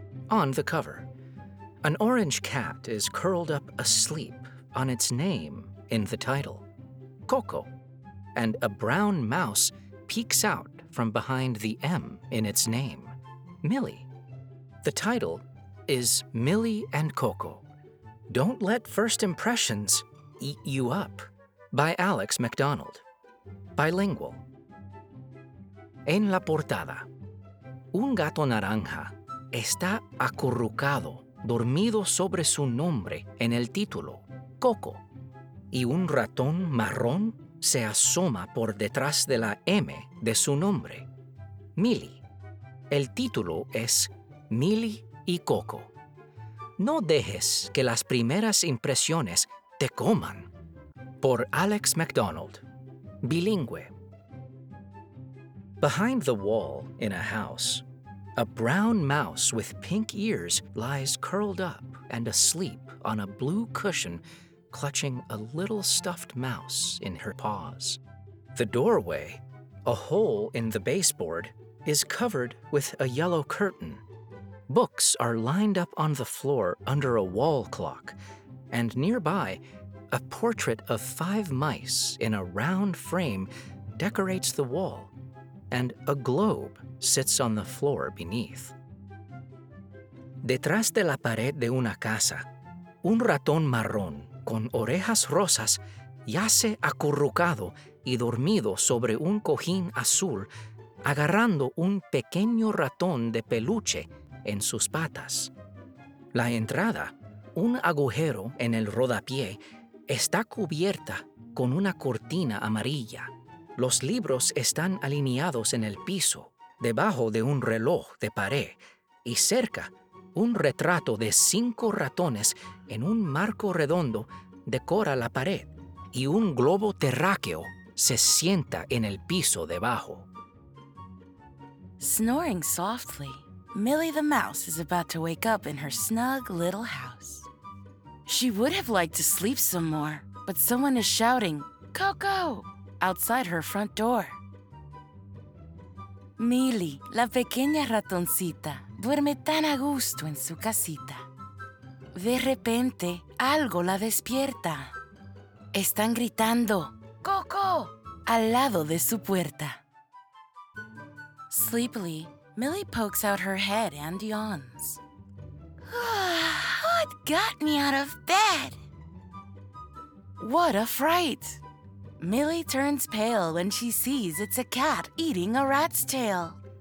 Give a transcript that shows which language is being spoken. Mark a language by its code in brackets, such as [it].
[en] On the cover, an orange cat is curled up asleep on its name in the title, Coco, and a brown mouse peeks out from behind the M in its name, Millie. The title is Millie and Coco. Don't let first impressions eat you up, by Alex MacDonald. Bilingual. [es] En la portada, un gato naranja está acurrucado, dormido sobre su nombre en el título, Coco, y un ratón marrón se asoma por detrás de la M de su nombre, Millie. El título es Millie y Coco. No dejes que las primeras impresiones te coman. Por Alex MacDonald, bilingüe. [en] Behind the wall in a house, a brown mouse with pink ears lies curled up and asleep on a blue cushion, clutching a little stuffed mouse in her paws. The doorway, a hole in the baseboard, is covered with a yellow curtain. Books are lined up on the floor under a wall clock, and nearby, a portrait of five mice in a round frame decorates the wall, and a globe sits on the floor beneath. [es] Detrás de la pared de una casa, un ratón marrón con orejas rosas yace acurrucado y dormido sobre un cojín azul, agarrando un pequeño ratón de peluche en sus patas. La entrada, un agujero en el rodapié, está cubierta con una cortina amarilla. Los libros están alineados en el piso, debajo de un reloj de pared, y cerca, un retrato de cinco ratones en un marco redondo decora la pared, y un globo terráqueo se sienta en el piso debajo. [en] Snoring softly, Millie the mouse is about to wake up in her snug little house. She would have liked to sleep some more, but someone is shouting, Coco, outside her front door. [es] Millie, la pequeña ratoncita, duerme tan a gusto en su casita. De repente, algo la despierta. Están gritando, Coco, al lado de su puerta. [en] Sleepily, Millie pokes out her head and yawns. What got me out of bed? What a fright! Millie turns pale when she sees it's a cat eating a rat's tail.